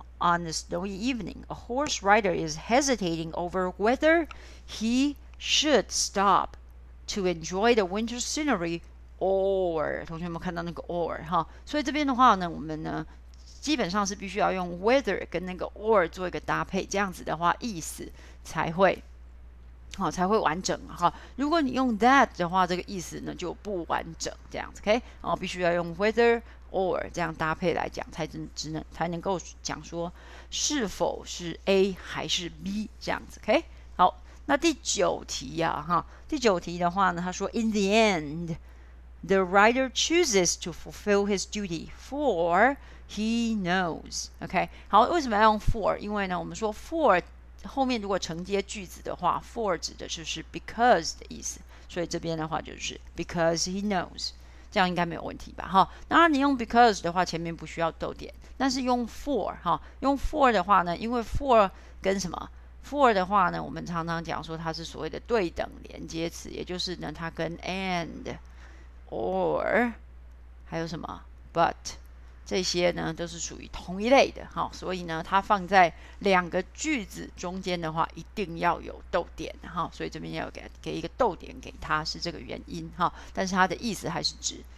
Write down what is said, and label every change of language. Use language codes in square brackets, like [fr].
[en] On a snowy evening, a horse rider is hesitating over whether he should stop to enjoy the winter scenery or [zh] 同学们看到那个 or 哈，所以这边的话呢，我们呢基本上是必须要用 whether 跟那个 or 做一个搭配，这样子的话意思才会好，才会完整哈。如果你用 that 的话，这个意思呢就不完整，这样子 OK 哦，必须要用 whether。 or 这样搭配来讲，才能够讲说是否是 A 还是 B 这样子，OK？好，那第九题呀，哈，第九题的话呢，他说， [en] In the end, the writer chooses to fulfill his duty, for he knows， [zh] OK？好，为什么要用 for？因为呢，我们说 for 后面如果承接句子的话，for 指的就是 because 的意思，所以这边的话就是 [en] because he knows。 [zh] 这样应该没有问题吧？哈，当然你用 because 的话，前面不需要逗点，但是用 for 哈，用 for 的话呢，因为 for 跟什么 for 的话呢，我们常常讲说它是所谓的对等连接词，也就是呢，它跟 and、or 还有什么 but 这些呢，都是属于同一类的哈，所以呢，它放在两个句子中间的话，一定要有逗点哈，所以这边要给一个逗点给它，是这个原因哈，但是它的意思还是指。